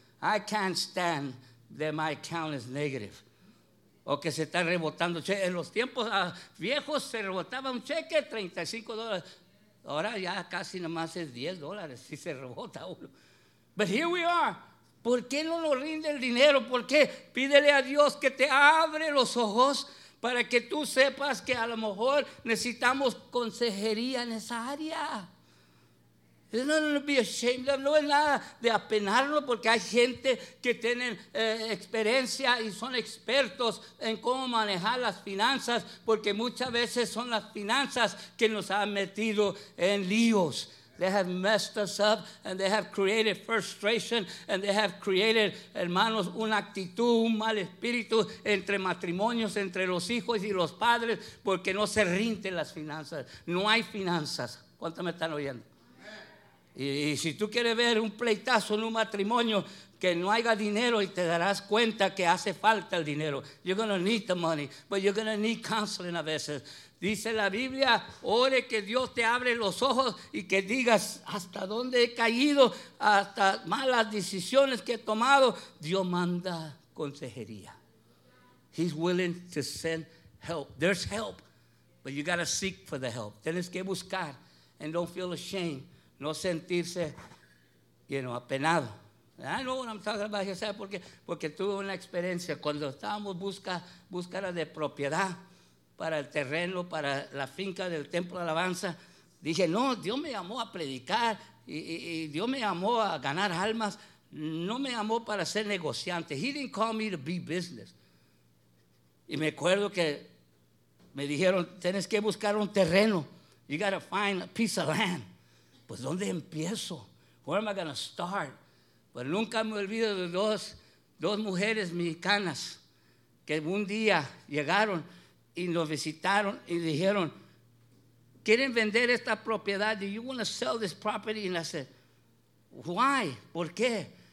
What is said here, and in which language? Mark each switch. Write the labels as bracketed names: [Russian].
[English] I can't stand that my account is negative. [Spanish] O que se está rebotando. Che, en los tiempos viejos se rebotaba un cheque, $35. Ahora ya casi nomás es $10 si se rebota uno. [English] But here we are. [Spanish] ¿Por qué no nos rinde el dinero? ¿Por qué? Pídele a Dios que te abre los ojos para que tú sepas que a lo mejor necesitamos consejería en esa área. No, no, [English] be ashamed of, [Spanish] no es nada de apenarlo, porque hay gente que tienen experiencia y son expertos en cómo manejar las finanzas, porque muchas veces son las finanzas que nos han metido en líos. [English] They have messed us up and they have created [Spanish] frustration and they have created, hermanos, una actitud, un mal espíritu entre matrimonios, entre los hijos y los padres, porque no se rinden las finanzas. No hay finanzas. ¿Cuántos me están oyendo? Y si tú quieres ver un pleitazo en un matrimonio, que no haya dinero, y te darás cuenta que hace falta el dinero. [English] You're going to need the money, but you're going to need counseling [Spanish] a veces. Dice la Biblia, ore que Dios te abre los ojos y que digas hasta dónde he caído, hasta malas decisiones que he tomado. Dios manda consejería. [English] He's willing to send help. There's help, but you got to seek for the help. [Spanish] Tienes que buscar, [English] and don't feel ashamed. [Spanish] No sentirse, you know, apenado. [English] I know what I'm talking about here. [Spanish] ¿Sabes por qué? Porque tuve una experiencia. Cuando estábamos buscando de propiedad para el terreno, para la finca del Templo de Alabanza, dije, no, Dios me llamó a predicar y Dios me llamó a ganar almas. No me llamó para ser negociante. [English] He didn't call me to be business. [Spanish] Y me acuerdo que me dijeron, tienes que buscar un terreno. [English] You got to find a piece of land. [Spanish] Pues, ¿dónde empiezo? [English] Where am I going to start? [Spanish] Pero nunca me olvido de dos mujeres mexicanas que un día llegaron y nos visitaron y dijeron, ¿quieren vender esta propiedad? [English] Do you want to sell this property? And I said, why? [Spanish] ¿Por qué?